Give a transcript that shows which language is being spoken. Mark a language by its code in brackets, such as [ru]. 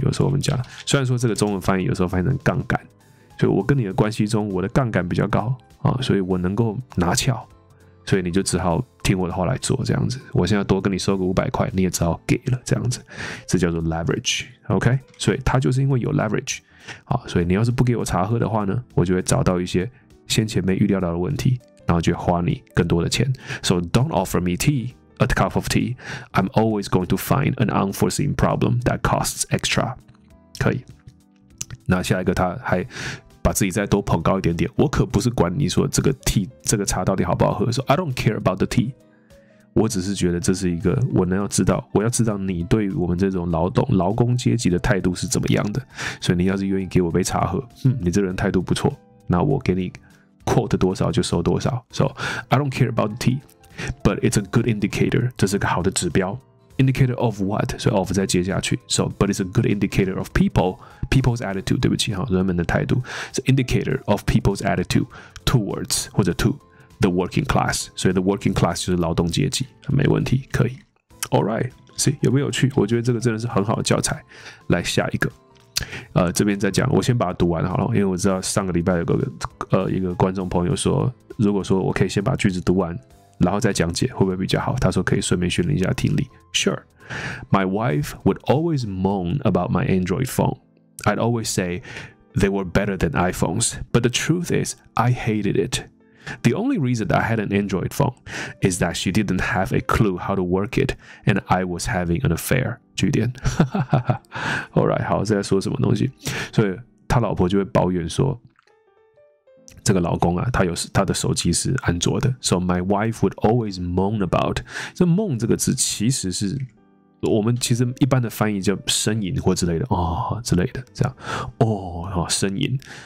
[zh] 有时候我们讲，虽然说这个中文翻译有时候翻译成杠杆，所以我跟你的关系中我的杠杆比较高啊，所以我能够拿翘，所以你就只好听我的话来做这样子。我现在多跟你收个五百块，你也只好给了这样子，这叫做 leverage。 OK， 所以他就是因为有 leverage 啊，所以你要是不给我茶喝的话呢，我就会找到一些先前没预料到的问题，然后就花你更多的钱。 [en] So don't offer me tea, a cup of tea, I'm always going to find an unforeseen problem that costs extra。 [zh] 可以，那下一个他还把自己再多捧高一点点，我可不是管你说这个 tea 这个茶到底好不好喝，说 [en] I don't care about the tea， [zh] 我只是觉得这是一个我能要知道，我要知道你对我们这种劳工阶级的态度是怎么样的，所以你要是愿意给我杯茶喝，你这人态度不错，那我给你 quote 多少就收多少。 [en] So I don't care about the tea, but it's a good indicator， [zh] 这是个好的指标。 [en] Indicator of what? So of 再接下去。So, but it's a good indicator of people's attitude. [zh] 对不起，人们的态度。 [en] It's indicator of people's attitude towards 或者 to the working class. [zh] 所以 the working class 就是劳动阶级。没问题，可以。 [en] All right, see [zh] 有没有趣？我觉得这个真的是很好的教材。来下一个。这边再讲，我先把它读完好了，因为我知道上个礼拜有个一个观众朋友说，如果说我可以先把句子读完，然后再讲解会不会比较好？他说可以顺便训练一下听力。 [en] Sure, my wife would always moan about my Android phone. I'd always say they were better than iPhones, but the truth is I hated it. The only reason I had an Android phone is that she didn't have a clue how to work it, and I was having an affair. [zh] 句点。 [en] All right, [zh] 好，这在说什么东西？所以他老婆就会抱怨说，这个老公啊，他的手机是安卓的。 [en] So my wife would always moan about。 [zh] 这 moan 这个字其实是我们其实一般的翻译叫呻吟或之类的，哦之类的这样，哦呻吟。